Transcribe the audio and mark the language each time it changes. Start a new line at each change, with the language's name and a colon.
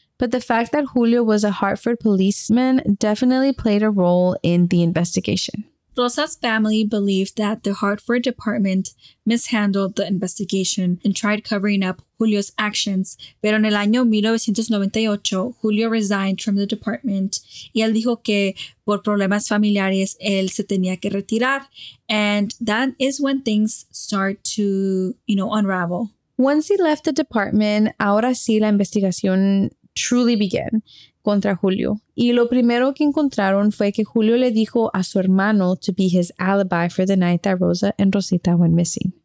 English: But the fact that Julio was a Hartford policeman definitely played a role in the investigation. Rosa's family believed that the Hartford department mishandled the investigation and tried covering up Julio's actions.
Spanish: Pero en el año 1998, Julio
English: resigned from the department.
Spanish: Y él dijo que por problemas familiares, él se tenía que retirar.
English: And that is when things start to, you know, unravel. Once he left the department,
Spanish: ahora sí la investigación
English: truly began
Spanish: contra
English: Julio.
Spanish: Y lo primero que encontraron fue que Julio le dijo a su hermano
English: to be his alibi for the night that Rosa and Rosita went missing.